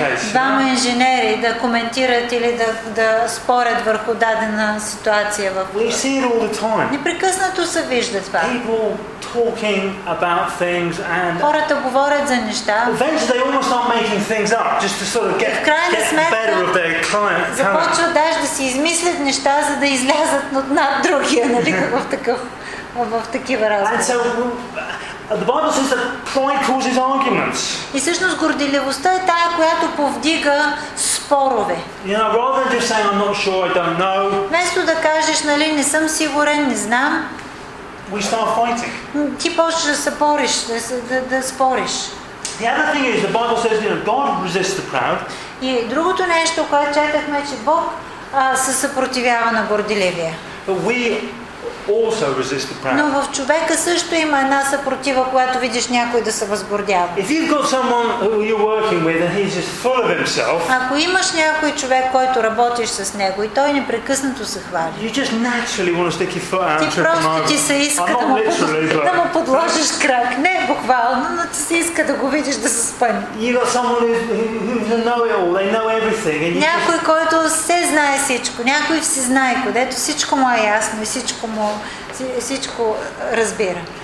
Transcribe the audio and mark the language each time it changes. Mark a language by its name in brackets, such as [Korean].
[Bulgarian] Двама инженери да коментират или да спорят върху дадена ситуация в това. Непрекъснато се вижда това. [English] Talking about things and [Bulgarian] хората говорят за неща. [English] Eventually they almost start making things up just to sort of get better of their client. [Bulgarian] Започват даже да си измислят неща, за да излязат над другия, нали, в такива разговори. [English] The Bible says that pride causes arguments. [Bulgarian] И всъщност горделивостта е тая, която повдига спорове. [English] You know, rather than just saying I'm not sure, I don't know. [Bulgarian] Вместо да кажеш, нали, не съм сигурен, не знам. [English] We start fighting. [Bulgarian] Ти почваш да се бориш, да спориш. [English] The other thing is the Bible says that God resists the proud. [Bulgarian] И другото нещо, което четахме, че Бог се съпротивява на горделивия. [English] But we also resist the proud. [Bulgarian] Но в човека също има една съпротива, когато видиш някой да се възгордява. [English] If you've got someone who you're working with and he's just full of himself. [Bulgarian] Ако имаш някой човек, който работиш с него и той непрекъснато се хвали. [English] You just naturally want to stick your foot out. [Bulgarian] Ти просто ти се иска да му подложиш крак. Не буквално, но ти се иска да го видиш да се спъне. [English] You got someone who know it all. They know everything. [Bulgarian] Някой, който все знае всичко, някой всезнайка, където всичко му е ясно и всичко всичко разбира.